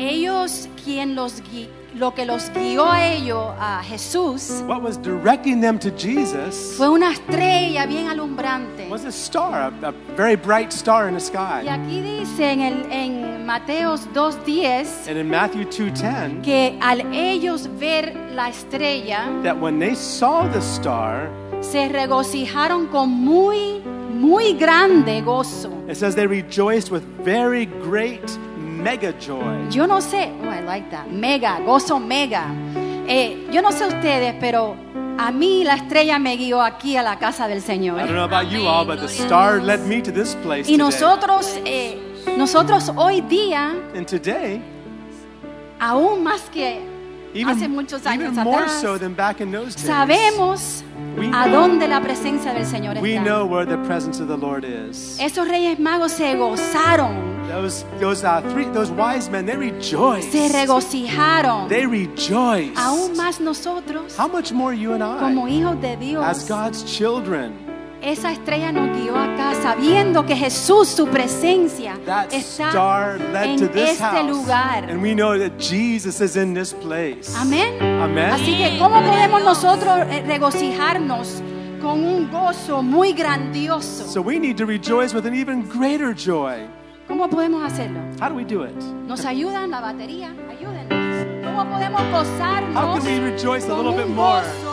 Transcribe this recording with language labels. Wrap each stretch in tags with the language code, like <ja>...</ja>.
<es>ellos quien los lo que los guió a ellos a Jesús.</es> <en>What was directing them to Jesus?</en> <es>Fue una estrella bien alumbrante.</es> <en>Was a star, a very bright star in the sky.</en> <es>Y aquí dice en Mateos 2:10.</es> <en>And in Matthew 2:10.</en> <es>Que al ellos ver la estrella.</es> <en>That when they saw the star.</en> <es>Se regocijaron con muy muy grande gozo.</es> <en>It says they rejoiced with very great mega joy.</en> <es>Yo no sé.</es> <en>Oh, I like that. Mega, gozo mega.</en> <es>Yo no sé ustedes, pero a mí la estrella me guió aquí a la casa del Señor.</es> <en>I don't know about you all, but the star led me to this place today.</en> <es>Y nosotros hoy día,</es> <en>and today,</en> <es>aún más que</es> <en>even,</en> <es>hace muchos años</es> <en>even</en> <es>atrás,</es> <en>more so than back in those days,</en> <es>sabemos</es> <en>we</en> <es>a dónde la presencia del Señor está.</es> <en>We know where the presence of the Lord is.</en> <es>Esos reyes magos se gozaron.</es> <en>Those wise men, they rejoiced.</en> <es>Se regocijaron.</es> <en>They rejoiced.</en> <es>Aún más nosotros.</es> <en>How much more you and I?</en> <es>Como hijos de Dios.</es> <en>As God's children.</en> <es>Esa estrella nos guió acá, sabiendo que Jesús, su presencia, está en este lugar.</es> <en>And we know that Jesus is in this place. Amén. Amén.</en> <es>Así que, ¿cómo podemos nosotros regocijarnos con un gozo muy grandioso?</es> <en>So we need to rejoice with an even greater joy.</en> <es>¿Cómo podemos hacerlo?</es> <en>How do we do it?</en> <es>Nos ayudan la batería, ayúdennos. ¿Cómo podemos gozarnos?</es> <en>How can we rejoice a little bit more?</en>